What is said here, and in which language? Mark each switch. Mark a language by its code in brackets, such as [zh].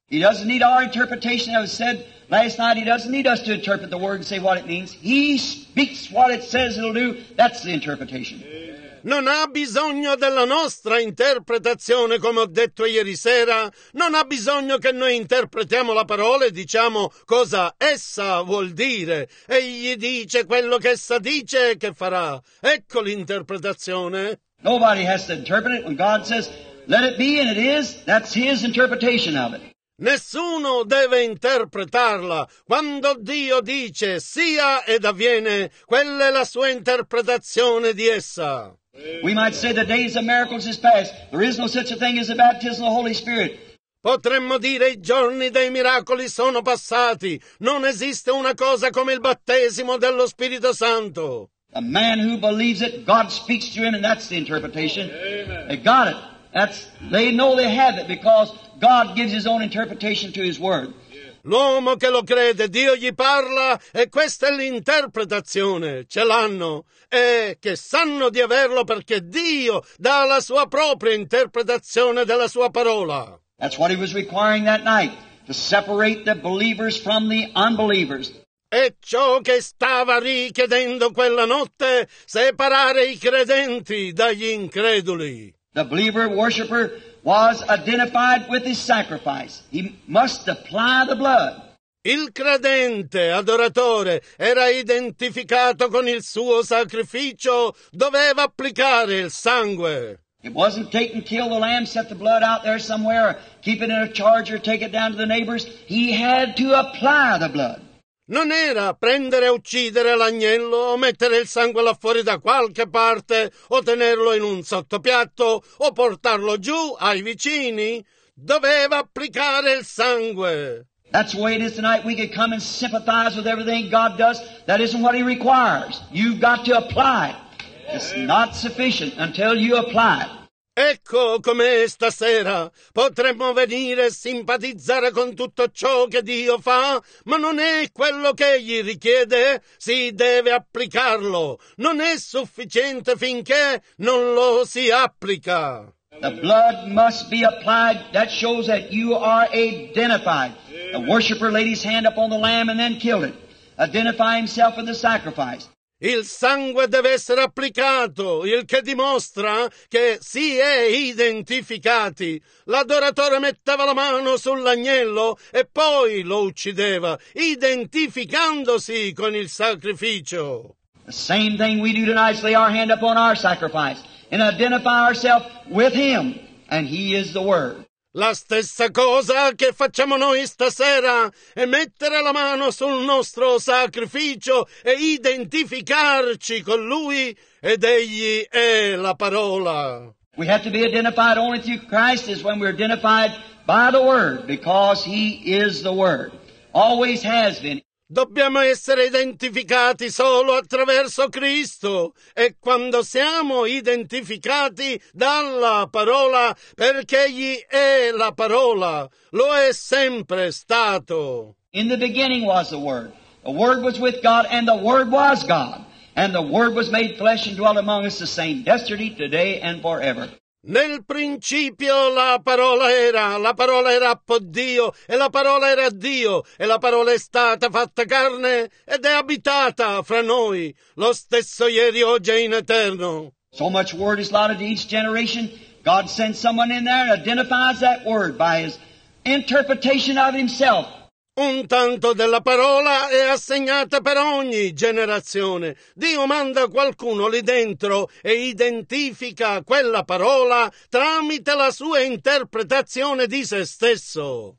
[en] He doesn't need our interpretation. As I said last night, he doesn't need us to interpret the word and say what it means. He speaks what it says it'll do. That's the interpretation. Amen. [it] Non ha bisogno della nostra interpretazione, come ho detto ieri sera. Non ha bisogno che noi interpretiamo la parola e diciamo cosa essa vuol dire. Egli dice quello che essa dice e che farà. Ecco l'interpretazione. [en] Nobody has to interpret it when God says, let it be and it is. That's his interpretation of it. [it] Nessuno deve interpretarla. Quando Dio dice sia ed avviene, quella è la sua interpretazione di essa. [en] We might say the days of miracles is past. There is no such a thing as the baptism of the Holy Spirit. [it] Potremmo dire i giorni dei miracoli sono passati. Non esiste una cosa come il battesimo dello Spirito Santo. [en] A man who believes it, God speaks to him, and that's the interpretation. Amen. They got it. They know they have it because God gives his own interpretation to his word. [it] L'uomo che lo crede, Dio gli parla e questa è l'interpretazione. Ce l'hanno e che sanno di averlo perché Dio dà la sua propria interpretazione della sua parola. [en] That's what he was requiring that night, to separate the believers from the unbelievers. [it] È ciò che stava richiedendo quella notte, separare i credenti dagli increduli. [en] The believer worshipper was identified with his sacrifice. He must apply the blood. [it] Il credente adoratore era identificato con il suo sacrificio, doveva applicare il sangue. [en] It wasn't take and kill the lamb, set the blood out there somewhere, keep it in a charger, take it down to the neighbors. He had to apply the blood. [it] Non era prendere e uccidere l'agnello o mettere il sangue là fuori da qualche parte o tenerlo in un sottopiatto o portarlo giù ai vicini. Doveva applicare il sangue. [en] That's the way it is tonight. We could come and sympathize with everything God does. That isn't what he requires. You've got to apply. It's not sufficient until you apply. [it] Ecco com'è stasera. Potremmo venire e simpatizzare con tutto ciò che Dio fa, ma non è quello che egli richiede. Si deve applicarlo. Non è sufficiente finché non lo si applica. [en] The blood must be applied. That shows that you are identified. The worshipper laid his hand upon the lamb and then killed it. Identify himself with the sacrifice. [it] Il sangue deve essere applicato, il che dimostra che si è identificati. L'adoratore metteva la mano sull'agnello e poi lo uccideva, identificandosi con il sacrificio. [en] The same thing we do tonight is lay our hand upon our sacrifice and identify ourselves with him, and he is the word. [it] La stessa cosa che facciamo noi stasera è mettere la mano sul nostro sacrificio e identificarci con Lui ed Egli è la parola. [en] We have to be identified only through Christ is when we're identified by the Word, because He is the Word. Always has been. [it] Dobbiamo essere identificati solo attraverso Cristo e quando siamo identificati dalla parola, perché egli è la parola, lo è sempre stato. [en] In the beginning was the word was with God and the word was God, and the word was made flesh and dwelt among us, the same yesterday, today and forever. [it] Nel principio la parola era con Dio, e la parola era Dio, e la parola è stata fatta carne, ed è abitata fra noi, lo stesso ieri, oggi e in eterno. [en] So much word is allotted to each generation. God sends someone in there, identifies that word by his interpretation of himself. [it] Un tanto della parola è assegnata per ogni generazione. Dio manda qualcuno lì dentro e identifica quella parola tramite la sua interpretazione di se stesso.